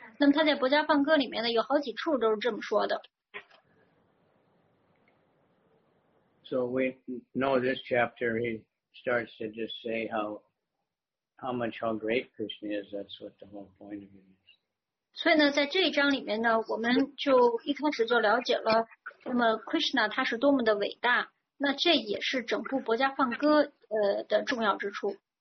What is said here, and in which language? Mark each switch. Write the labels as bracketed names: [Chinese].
[Chinese] 那么他在《薄伽梵歌》里面呢有好几处都是这么说的。 [English] So we know this chapter, he starts to just say how great Krishna is. That's what the whole point of it is. [Chinese] 所以呢在这一章里面呢我们就一开始就了解了那么 Krishna 他是多么的伟大，那这也是整部薄伽梵歌的重要之处。